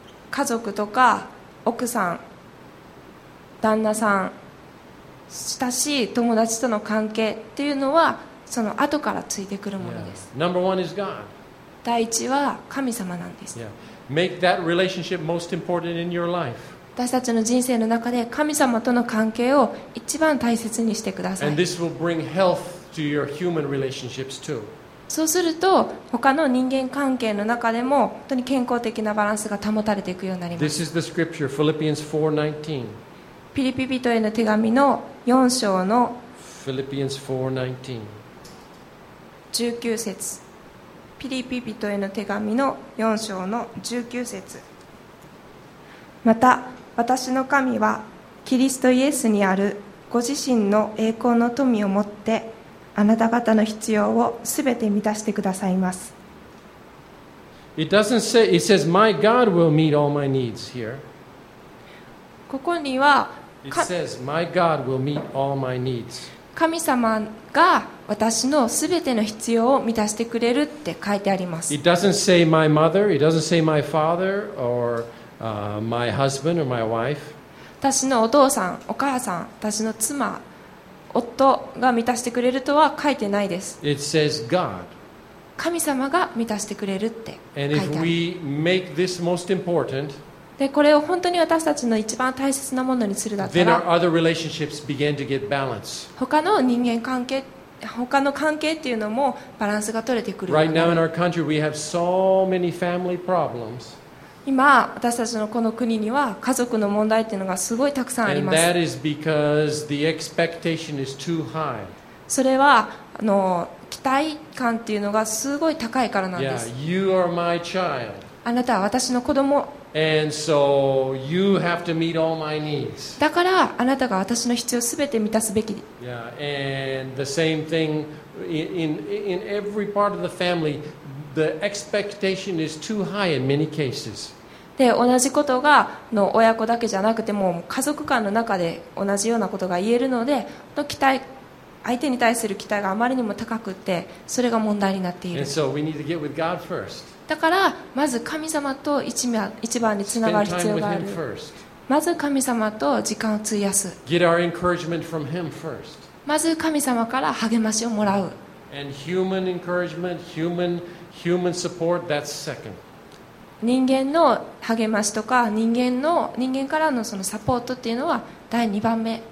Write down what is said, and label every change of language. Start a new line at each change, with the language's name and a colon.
Japanese: 家族とか奥さん、旦那さん、親しい友達との関係っていうのはその後からついてくるものです。
English: Yeah. Number one is God.
Japanese: 第一は神様なんです。
English: Yeah. Make that relationship most important in your life.
Japanese: 私たちの人生の中で神様との関係を一番大切にしてください。
English: And this will bring health to your human relationships too.
Japanese: そうすると他の人間関係の中でも本当に健康的なバランスが保たれていくようになります。
English: This is the scripture, Philippians 4:19.
Japanese: ピリピ人への手紙の4章の
English: Philippians
Japanese: 4:19. 19節。ピリピ人への手紙の4章の19節。また私の神はキリストイエスにあるご自身の栄光の富をもってあなた方の必要をすべて満たしてくださいます。
English: It doesn't say, it says, my God will meet all my needs here.
Japanese: ここには
English: It says, my God will meet all my needs.
Japanese: 神様が私のすべての必要を満たしてくれるって書いてあります。
English: It doesn't say my mother, it doesn't say my father orMy husband or my wife.
Japanese: 私のお父さん、お母さん、私の妻、夫が満たしてくれるとは書いてないです。
English: It says God.
Japanese: 神様が満たしてくれるって書いてある。
English: And if we make this most important,
Japanese: でこれを本当に私たちの一番大切なものにするだったら、
English: then our other relationships begin to get balance.
Japanese: 他の人間関係、他の関係っていうのもバランスが取れてくる。
English: Right now in our country, we have so many family problems.
Japanese: 今私たちのこの国には家族の問題っていうのがすごいたくさんあります。
English: And that is because the expectation is too high.
Japanese: それはあの期待感っていうのがすごい高いからなんです。
English: Yeah, you are my child.
Japanese: あなたは私の子供。
English: And so you have to meet all my needs.
Japanese: だからあなたが私の必要すべて満たすべき。
English: Yeah, and the same thing in every part of the family. The expectation is too high in many cases.
Japanese: で、同じことがの親子だけじゃなくても家族間の中で同じようなことが言えるので、の期待、相手に対する期待があまりにも高くて、それが問題になっている。
English: And so we need to get with God first.
Japanese: だからまず神様と一番につながる必要がある。まず神様と時間を費やす。
English: Get our encouragement from Him first.
Japanese: まず神様から励ましをもらう。
English: And human encouragement, human support, that's second.
Japanese: 人間の励ましとか人間からのそのサポートっていうのは第2番目。